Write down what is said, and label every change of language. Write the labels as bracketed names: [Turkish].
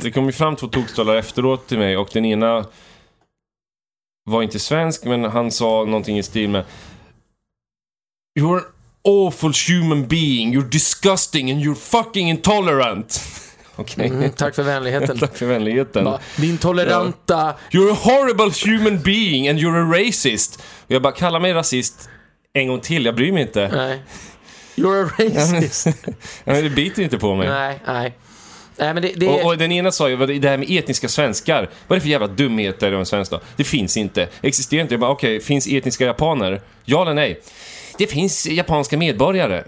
[Swedish] Det kom ju fram två tokstolar efteråt till mig, och den ena var inte svensk, men han sa någonting i stil med: [English] "You're an awful human being, you're disgusting and you're fucking intolerant." [Swedish] Okay. Tack för vänligheten. Tack för vänligheten. Min toleranta. [English] "You're a horrible human being and you're a racist." [Swedish] Och jag bara, kalla mig rasist en gång till, jag bryr mig inte. Nej. [English] "You're a racist." [Swedish] Men det biter inte på mig. Nej. Nej, men det och den ena sa ju det här med etniska svenskar. Vad är det för jävla dumheter om svenska? Det finns inte. Existerar inte. Jag bara, okej, finns etniska japaner? Ja eller nej? Det finns japanska medborgare.